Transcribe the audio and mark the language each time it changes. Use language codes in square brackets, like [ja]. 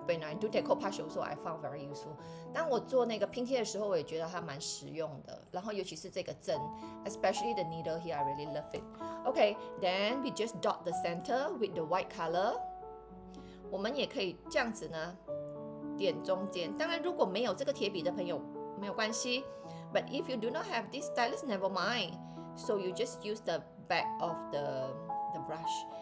[en] When I do deco patch also, I found very useful. [zh] 当我做那个拼贴的时候，我也觉得它蛮实用的。然后尤其是这个针 [en] ，especially the needle here, I really love it. Okay, then we just dot the center with the white color. [zh] 我们也可以这样子呢，点中间。当然，如果没有这个铁笔的朋友，没有关系。 [en] But if you do not have this stylus, never mind. So you just use the back of the brush.